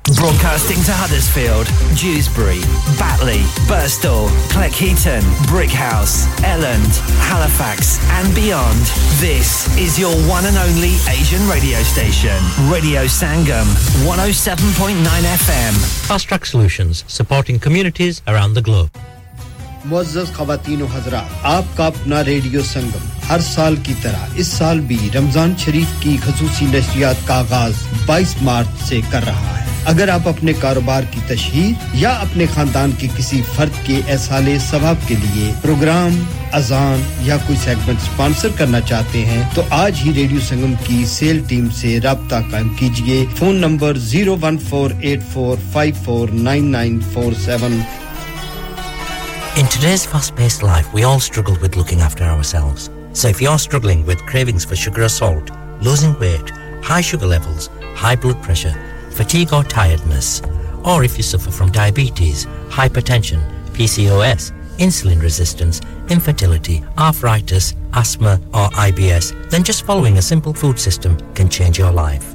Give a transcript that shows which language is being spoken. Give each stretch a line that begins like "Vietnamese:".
English: Broadcasting to Huddersfield, Dewsbury, Batley, Birstall, Cleckheaton, Brickhouse, Elland, Halifax and beyond. This is your one and only Asian radio station. Radio Sangam, 107.9 FM. Fast Track Solutions, supporting communities around the globe.
Urdu: معزز خواتین و حضرات آپ کا اپنا radio سنگم ہر سال کی طرح اس سال بھی رمضان شریف کی خصوصی نشریات کا آغاز 22 مارچ سے کر رہا ہے اگر آپ اپنے کاروبار کی تشہیر یا اپنے خاندان کے کسی فرد کے احصال ثواب کے لیے پروگرام اذان یا کوئی سیگمنٹ سپانسر کرنا چاہتے ہیں تو آج ہی ریڈیو سنگم کی سیل ٹیم سے رابطہ قائم کیجئے phone number 01484549947
English: In today's fast-paced life, we all struggle with looking after ourselves. So if you're struggling with cravings for sugar or salt, losing weight, high sugar levels, high blood pressure, fatigue or tiredness, or if you suffer from diabetes, hypertension, PCOS, insulin resistance, infertility, arthritis, asthma or IBS, then just following a simple food system can change your life.